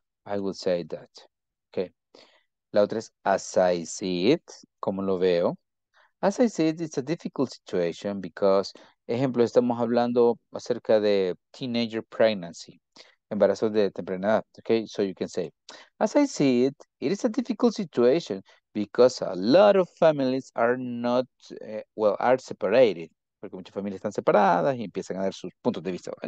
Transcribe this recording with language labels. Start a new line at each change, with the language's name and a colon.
English: I would say that, okay.
Spanish: La otra es,
English: as I see it,
Spanish: como lo veo.
English: As I see it, it's a difficult situation because
Spanish: Ejemplo, estamos hablando acerca de
English: teenager pregnancy,
Spanish: embarazos de temprana edad.
English: Okay, so you can say, as I see it, it is a difficult situation because a lot of families are not, are separated.
Spanish: Porque muchas familias están separadas y empiezan a dar sus puntos de vista.